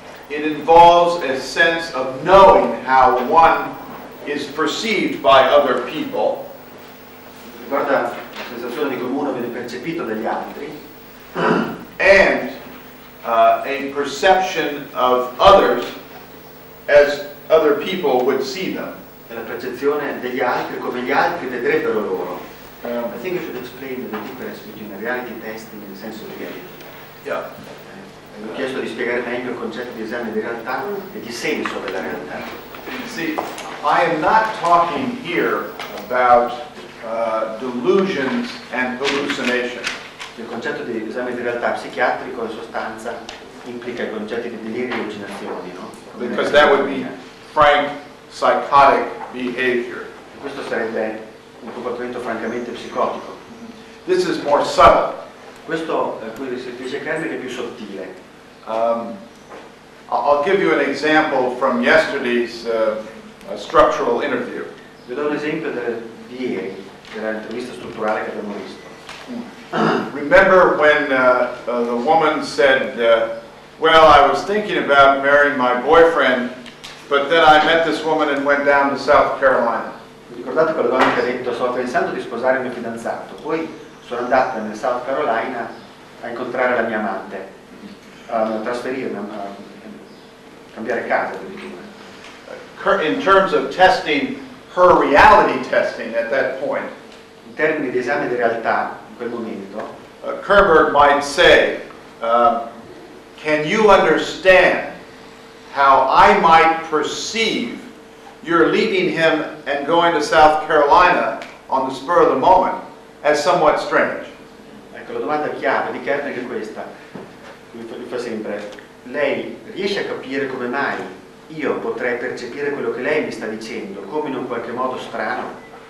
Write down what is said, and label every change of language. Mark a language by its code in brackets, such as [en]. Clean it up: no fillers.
[en] It involves a sense of knowing how one is perceived by other people. [it] Guarda, la sensazione di come uno viene percepito dagli altri. [en] And a perception of others as other people would see them. [it] E la percezione degli altri come gli altri vedrebbero loro. [en] I think you should explain the difference between reality testing and sense of reality. Yeah. [it] Ho chiesto di spiegare meglio il concetto di esame di realtà e di senso della realtà. [en] See, I am not talking here about delusions and hallucinations. [it] Il concetto di esame di realtà psichiatrico in sostanza implica i concetti di delirio e allucinazioni, no? [en] Because that would be frank psychotic behavior. [it] Questo sarebbe un comportamento francamente psicotico. [en] This is more subtle. [it] Questo quello che dice Kernberg è più sottile. [en] I'll give you an example from yesterday's structural interview. [it] Vi do un esempio di ieri, dell'intervista strutturale che abbiamo visto. [en] Remember when the woman said, "Well, I was thinking about marrying my boyfriend, but then I met this woman and went down to South Carolina." [it] Ricordate quella donna che ha detto, sto pensando di sposare il mio fidanzato, poi sono andata nel South Carolina a incontrare la mia amante, a trasferirmi, a cambiare casa. [en] In terms of testing, her reality testing at that point, [it] in termini di esame di realtà, in quel momento, [en] Kernberg might say, can you understand how I might perceive you're leaving him and going to South Carolina on the spur of the moment as somewhat strange. [it] Ecco, la domanda chiave di Kernberg è questa. Mi fa sempre. Lei riesce a capire come mai io potrei percepire quello che lei mi sta dicendo come in un qualche modo strano?